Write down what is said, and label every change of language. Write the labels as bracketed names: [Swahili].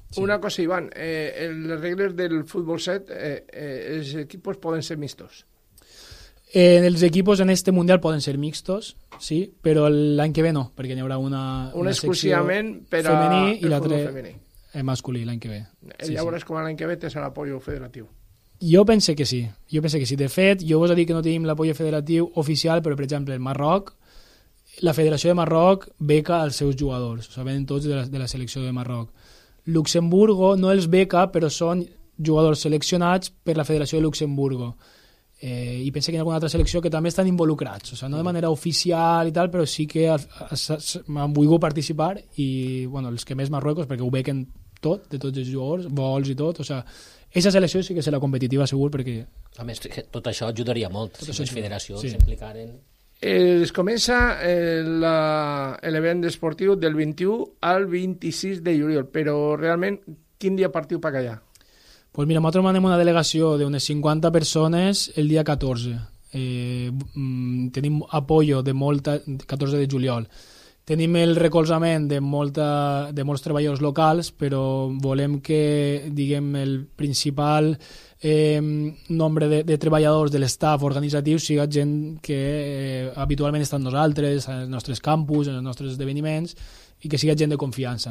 [Spanish] Sí. Una cosa, Iván, las reglas del fútbol set, los equipos pueden ser mixtos. Los equipos en este mundial pueden ser mixtos, sí, pero el año que viene no, porque ya habrá una exclusivamente para femení y la otra [Catalan] en masculí l'any que ve. Sí, ja veuràs com l'any que ve tens l'apoyo federatiu. Jo pense que sí. De fet, jo vos he dit que no tenim l'apoyo federatiu oficial, però, per exemple, el Marroc, la Federació de Marroc beca els seus jugadors, o sigui, venen tots de la selecció de Marroc. Luxemburgo no els beca, però són jugadors seleccionats per la Federació de Luxemburgo. I pense que hi ha alguna altra selecció que també estan involucrats, o sigui, no de manera oficial i tal, però sí que han volgut participar, i bueno, els que més Marruecos, perquè ho bequen tot, de tots els jugadors, vols i tot, o sigui, aquesta selecció sí que serà competitiva, segur, perquè a més, tot això ajudaria molt tot si les federacions s'implicaren. Es comença el event esportiu del 21 al 26 de juliol, però realment, quin dia partiu per allà? [Spanish] Pues mira, nosotros mandamos una delegación de unas 50 personas el día 14. Tenemos apoyo de molta, 14 de juliol. [Catalan] Tenemos el recolzament de molts treballadors locals, però volem que, diguem, el principal nombre de treballadors de l'staff organitzatiu siga gent que habitualment està amb nosaltres, en els nostres campus, en els nostres esdeveniments, i que sigui gent de confiança.